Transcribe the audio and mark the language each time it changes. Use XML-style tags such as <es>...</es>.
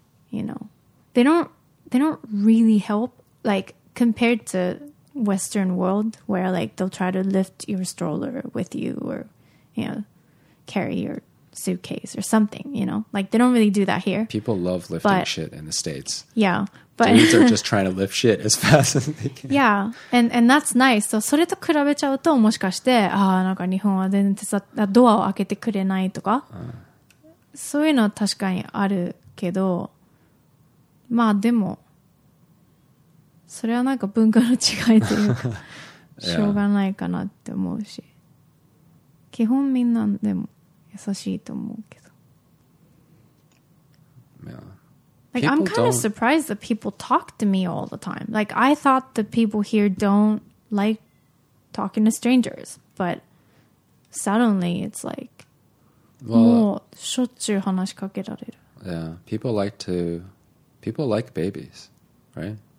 <en>You know, they don't really help, like, compared to Western world where, like, they'll try to lift your stroller with you or, you know, carry your suitcase or something, you know? Like, they don't really do that here. People love lifting shit in the States. Yeah. But dudes are just trying to lift shit as fast as they can. Yeah.</en> <ja>And that's nice. So, それと比べちゃうと、もしかして、ああ、なんか日本は全然手伝ドアを開けてくれないとか、そういうのは確かにあるけど、まあでもそれはなんか文化の違いというかしょうがないかなって思うし、基本みんなでも優しいと思うけど、</ja> <en>yeah. Like, people I'm kind of surprised that people talk to me all the time. Like, I thought that people here don't like talking to strangers, but suddenly it's like, Yeah, people like babies, right?</en>